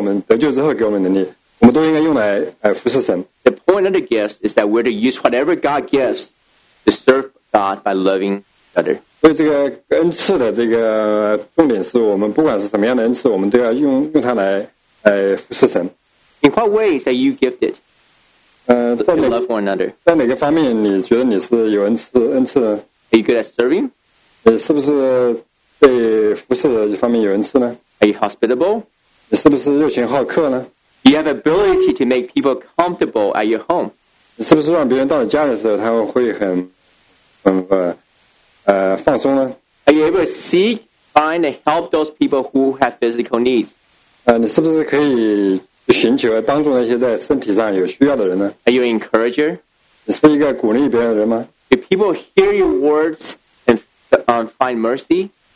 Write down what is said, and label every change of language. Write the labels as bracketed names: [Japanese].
[Chinese] 不管是我们以前与生俱来的能力，或者是神给我们在我们得救之后给我们的能力，我们都应该用来服侍神。 [English] The point of the gift is that we're to use whatever God gives to serve God by loving other. [Chinese] 所以这个恩赐的这个重点是我们不管是什么样的恩赐，我们都要用它来。 [English] In what ways are you gifted to love one another? [Chinese] 在哪个方面你觉得你是有恩赐的？ [English] Are you good at serving? [Chinese] 是不是对服侍方面有恩赐呢？ [English] Are you hospitable? [Chinese] 你是不是热情好客呢？ [English] You have ability to make people comfortable at your home. [Chinese] 你是不是让别人到你家的时候他会很放松呢？ [English] Are you able to seek, find, and help those people who have physical needs? [Chinese] 你是不是可以寻求帮助那些在身体上有需要的人呢？ [English] Are you an encourager? [Chinese] 你是一个鼓励别人的人吗？ [English] Do people hear your words and find mercy?